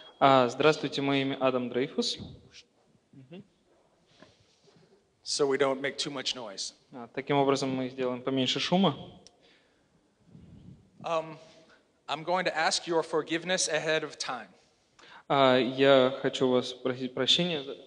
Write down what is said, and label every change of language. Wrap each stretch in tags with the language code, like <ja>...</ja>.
<ru>Здравствуйте, мое имя Адам Дрейфус.</ru> <en>So we don't make too much noise.</en> <ru>Таким образом, мы сделаем поменьше шума.</ru> <en>I'm going to ask your forgiveness ahead of time.</en> <ru>Я хочу вас просить прощения.</ru>